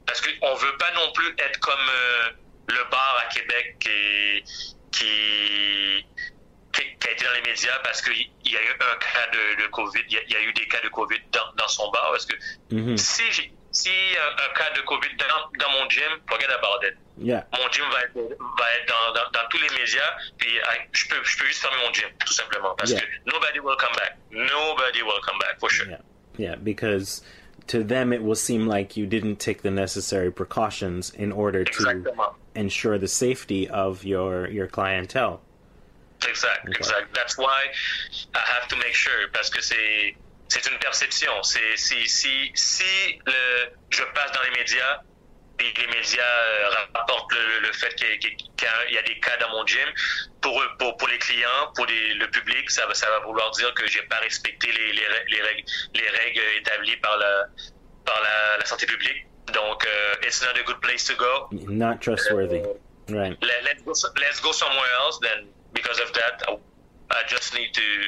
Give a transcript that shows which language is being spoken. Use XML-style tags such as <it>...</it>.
<fr>Parce qu'on ne veut pas non plus être comme le bar à Québec qui a été dans les médias parce qu'il y a eu un cas de COVID, il y a eu des cas de COVID dans son bar. Parce que si y a un cas de COVID dans mon gym, regarde la bordel. Mon gym va être dans tous les médias, puis je peux juste fermer mon gym, tout simplement. Parce que</fr> <en>nobody will come back. Nobody will come back, for sure. Yeah, because to them, it will seem like you didn't take the necessary precautions in order</en> <fr>Exactement.</fr> <en>To ensure the safety of your clientele. Exactly. That's why I have to make sure,</en> <fr>parce que c'est une perception. Si je passe dans les médias, puis les médias rapportent le fait qu'il y a des cas dans mon gym, pour les clients, pour le public, ça va vouloir dire que j'ai pas respecté les règles établies par la santé publique.</fr> <en>Donc, it's not a good place to go. Not trustworthy. Right. Let's go somewhere else then, because of that, I just need to...</en>